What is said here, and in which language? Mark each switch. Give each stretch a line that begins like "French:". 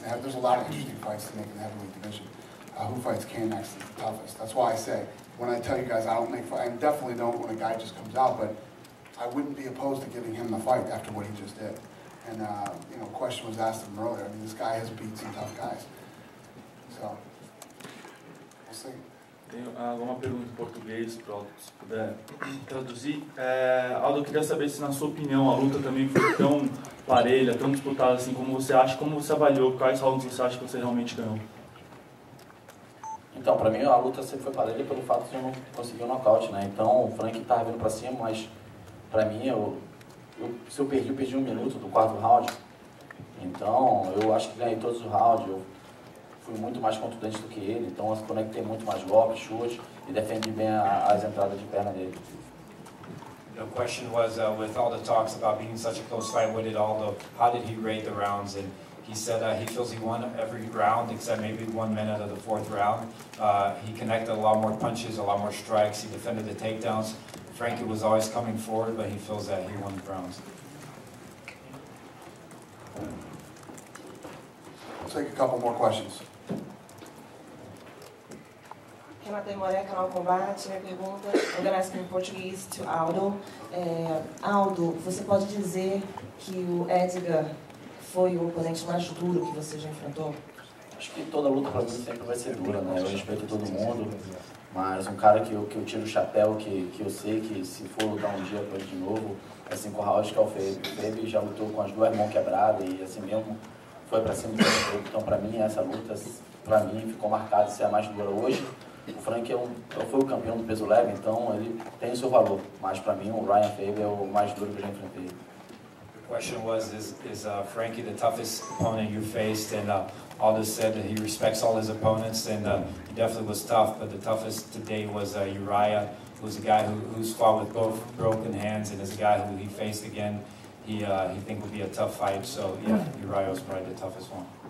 English: There's a lot of interesting fights to make in the heavyweight division. Who fights Cain next is the toughest. That's why I say, when I tell you guys I don't make fights, I definitely don't when a guy just comes out, but I wouldn't be opposed to giving him the fight after what he just did. And, you know, a question was asked of him earlier. I mean, this guy has beat some tough guys. So...
Portuguese: Sim. Tenho uma pergunta em português, pronto, se puder traduzir. Aldo, eu queria saber se na sua opinião a luta também foi tão parelha, tão disputada assim, como você acha, como você avaliou, quais rounds você acha que você realmente ganhou? Então, para mim a luta sempre foi parelha pelo fato de eu não conseguir o nocaute, né? Então o Frank estava vindo para cima, mas para mim, se eu perdi um minuto do quarto round. Então eu acho que ganhei todos os rounds. Fui muito mais contundente do que ele, então eu conectei muito mais golpes, chutes, e defendi bem as entradas de perna dele.
English: The question was, with all the talks about being such a close fight, what did Aldo, how did he rate the rounds? And he said that he feels he won every round, except maybe 1 minute of the fourth round. He connected a lot more punches, a lot more strikes, he defended the takedowns. Frankie was always coming forward, but he feels that he won the rounds. Take a couple more questions.
Portuguese: Quem matou em Moreira, canal Combate, minha pergunta.
English: I'm going to ask in Portuguese to Aldo.
Portuguese: Aldo, você pode dizer que o Edgar foi o oponente mais duro que você já enfrentou? Acho que toda luta para mim sempre vai ser dura, né? Eu respeito todo mundo, mas um cara que eu tiro o chapéu, que eu sei que se for lutar um dia com ele de novo, é 5 rounds que é o Febe, já lutou com as duas mãos quebradas e assim mesmo. Foi para cima do Frank. Então, para mim, essa luta, para mim, ficou marcada de ser a mais dura hoje. O Frank foi o campeão do peso leve, então ele tem o seu valor. Mas, para mim, o Ryan Faber é o mais duro que eu já enfrentei. A pergunta foi,
English: is Frankie the toughest opponent you faced? And Aldo said that he respects all his opponents, and he definitely was tough, but the toughest today was Uriah, who's a guy who's fought with both broken hands, and is a guy who he faced again. He think would be a tough fight, so yeah, Uriah was probably the toughest one.